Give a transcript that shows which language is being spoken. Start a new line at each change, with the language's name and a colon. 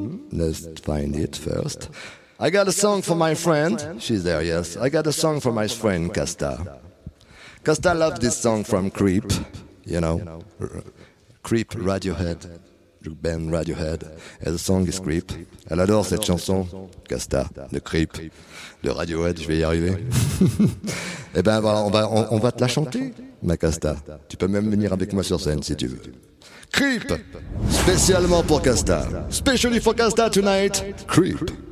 English: Let's find it first. I got a song for my friend. She's there, yes. I got a song for my friend, Casta. Casta loves this song from Creep. You know, Creep, Radiohead. Ben Radiohead, et the song is Creep.
French: Elle adore cette chanson, Casta, de Creep, de Radiohead, je vais y arriver. Eh ben voilà, on va te la chanter, ma Casta. Tu peux même venir avec moi sur scène si tu veux. Creep, spécialement pour Casta.
English: Specially for Casta tonight, Creep.